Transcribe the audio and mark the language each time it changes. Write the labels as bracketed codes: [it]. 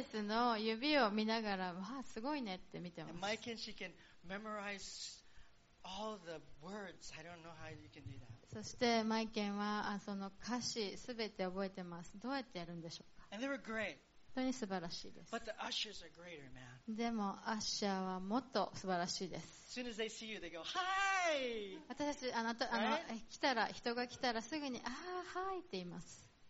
[ja] イスの指を見ながら、わあ、すごいねって見てます。 [en] マイケン、she can memorize all the words. I don't know how you can do that. [ja] そしてマイケンはその歌詞すべて覚えてます。どうやってやるんでしょうか。 [en] And they were great. [ja] 本当に素晴らしいです。 [en] But the ushers are greater, man. [ja] でも、アッシャーはもっと素晴らしいです。 [en] As soon as they see you, they go, hi! [ja] 私たち、あなた、あの、来たら、人が来たらすぐに、あー、はいって言います。